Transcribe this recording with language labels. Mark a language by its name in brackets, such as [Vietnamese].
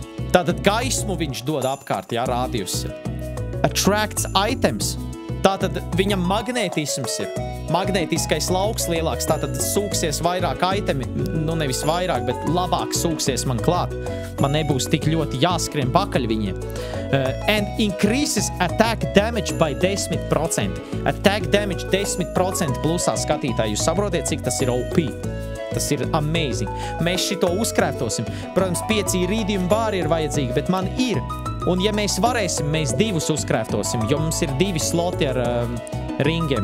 [Latvian] Tātad gaismu viņš dod apkārt, jā, radius. [English] Attracts items. [Latvian] Tātad viņam magnētisms ir. Magnētiskais lauks lielāks, tātad sūksies vairāk itemi, nu nevis vairāk, bet labāk sūksies man klāt. Man nebūs tik ļoti jāskrien pakaļ viņiem. [English] And increases attack damage by 10%. [Latvian] Attack damage 10% plusā skatītāji, jūs saprotiet, cik tas ir OP. Tas ir amazing. Mēs šito uzkrētosim. Protams, 5 iridium bāri ir vajadzīgi, bet man ir. Un ja mēs varēsim, mēs divus uzkrētosim, jo mums ir divi sloti ar... ringiem.